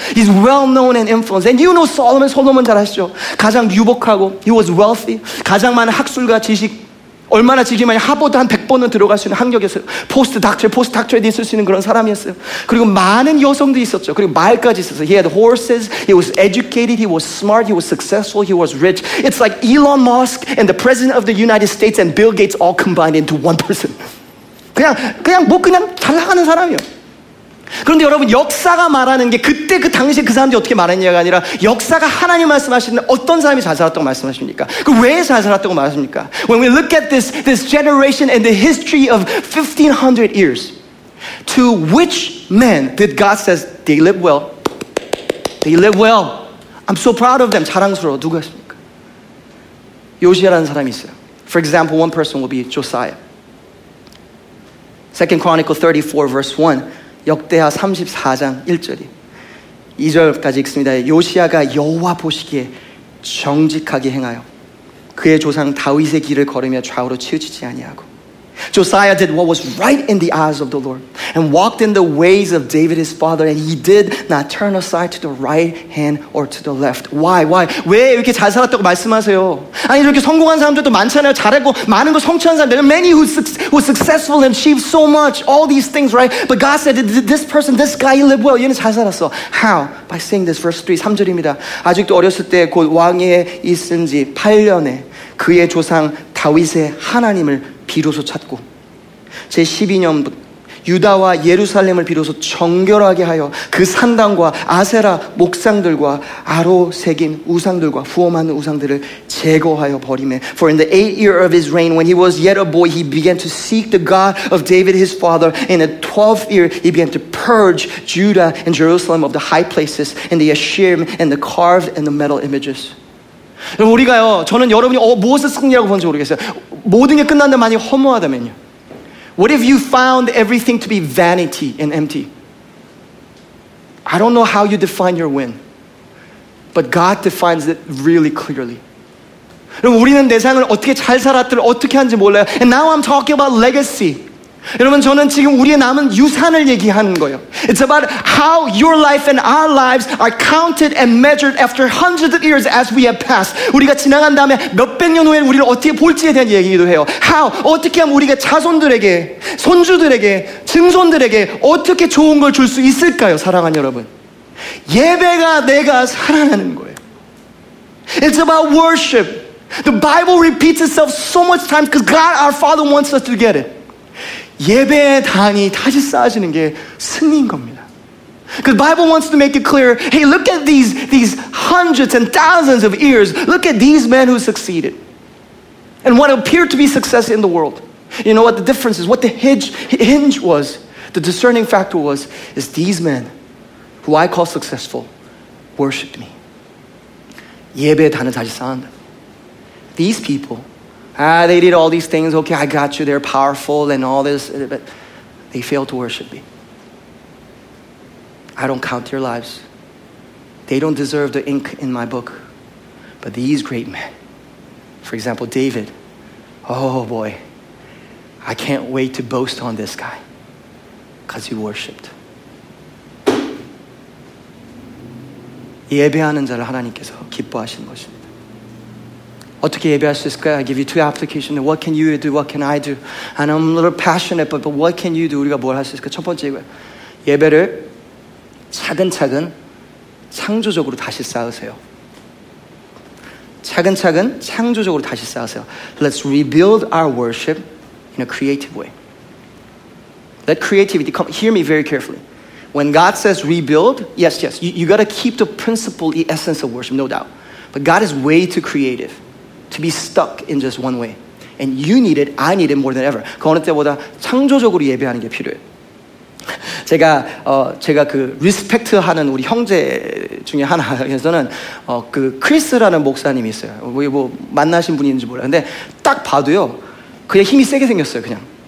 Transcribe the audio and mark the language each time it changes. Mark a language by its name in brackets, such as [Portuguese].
[English] He's well known and influenced. And you know Solomon. Solomon [Korean] 잘 아시죠? 가장 유복하고 [English] he was wealthy. [Korean] 가장 많은 학술과 지식. 얼마나 지식이 많이 하버드 한 100번은 들어갈 수 있는 학력이었어요. 포스트 닥터에 있을 수 있는 그런 사람이었어요. 그리고 많은 여성도 있었죠. 그리고 말까지 있었어요. [English] He had horses. He was educated. He was smart. He was successful. He was rich. It's like Elon Musk and the President of the United States and Bill Gates all combined into one person. [Korean] 그냥 잘 나가는 사람이요. 그런데 여러분 역사가 말하는 게 그때 그 당시에 그 사람들이 어떻게 말했냐가 아니라 역사가 하나님 말씀하시는 어떤 사람이 잘 살았다고 말씀하십니까? 그 왜 잘 살았다고 말하십니까? [English] When we look at this generation and the history of 1500 years, to which men did God says they live well? They live well. I'm so proud of them. [Korean] 자랑스러워. 누구였습니까? 요시야라는 사람이 있어요. [English] For example, one person will be Josiah. 2 Chronicles 34 verse 1, [Korean] 역대하 34장 1절이 2절까지 읽습니다. 요시야가 여호와 보시기에 정직하게 행하여 그의 조상 다윗의 길을 걸으며 좌우로 치우치지 아니하고 [English] Josiah did what was right in the eyes of the Lord and walked in the ways of David his father and he did not turn aside to the right hand or to the left. Why? [Korean] 왜 이렇게 잘 살았다고 말씀하세요? 아니 이렇게 성공한 사람들도 많잖아요. 잘했고 많은 거 성취한 사람들. [English] There are many who successful and achieved so much. All these things, right? But God said, this guy, he lived well. [Korean] 얘는 잘 살았어. [English] How? By saying this, verse 3, [Korean] 3절입니다. 아직도 어렸을 때 곧 왕에 있은 지 8년에 그의 조상 다윗의 하나님을 비로소 찾고 제 12년 유다와 예루살렘을 비로소 정결하게 하여 그 산당과 아세라 목상들과 아로 새긴 우상들과 후험하는 우상들을 제거하여 버리매 [English] For in the 8th year of his reign when he was yet a boy he began to seek the God of David his father In the 12th year he began to purge Judah and Jerusalem of the high places and the Asherim and the carved and the metal images [Korean] 여러분 우리가요 저는 여러분이 무엇을 승리라고 보는지 모르겠어요 모든 게 끝났는데 만약 허무하다면요 [English] What if you found everything to be vanity and empty? I don't know how you define your win, but God defines it really clearly. [Korean] 여러분, 우리는 내 삶을 어떻게 잘 살았든 어떻게 하는지 몰라요. [English] And now I'm talking about legacy. [Korean] 여러분, 저는 지금 우리의 남은 유산을 얘기하는 거예요. [English] It's about how your life and our lives are counted and measured after hundreds of years as we have passed. [Korean] 우리가 지나간 다음에 몇백 년 후에 우리를 어떻게 볼지에 대한 얘기도 해요. How, 어떻게 하면 우리가 자손들에게, 손주들에게, 증손들에게 어떻게 좋은 걸 줄 수 있을까요, 사랑하는 여러분? 예배가 내가 사랑하는 거예요. [English] It's about worship. The Bible repeats itself so much times because God, our Father, wants us to get it. [Korean] 예배의 단이 다시 쌓아지는 게 승리인 겁니다. [English] Because the Bible wants to make it clear, hey, look at these hundreds and thousands of years. Look at these men who succeeded. And what appeared to be success in the world. You know what the difference is? What the hinge was, the discerning factor was, is these men, who I call successful, worshipped me. [Korean] 예배의 단을 다시 쌓는다. [English] These people, they did all these things, okay, I got you, they're powerful and all this, but they failed to worship me. I don't count your lives. They don't deserve the ink in my book. But these great men, for example, David, oh boy, I can't wait to boast on this guy because he worshiped. [Korean] 예배하는 자를 하나님께서 기뻐하시는 것입니다. 어떻게 예배할 수 있을까요? [English] I give you two applications. What can you do? What can I do? And I'm a little passionate, but what can you do? [Korean] 우리가 뭘 할 수 있을까요? 첫 번째 이거예요. 예배를 차근차근 창조적으로 다시 쌓으세요. 차근차근 창조적으로 다시 쌓으세요. [English] Let's rebuild our worship in a creative way. Let creativity come. Hear me very carefully. When God says rebuild, yes, yes. You got to keep the principle, the essence of worship, no doubt. But God is way too creative to be stuck in just one way. And you need it, I need it more than ever. [Korean] 그 어느 때보다 창조적으로 예배하는 게 필요해. 제가 그 리스펙트 하는 우리 형제 중에 하나에서는 그 크리스라는 목사님이 있어요. 뭐 만나신 분인지 몰라요. 근데 딱 봐도요, 그냥 힘이 세게 생겼어요, 그냥.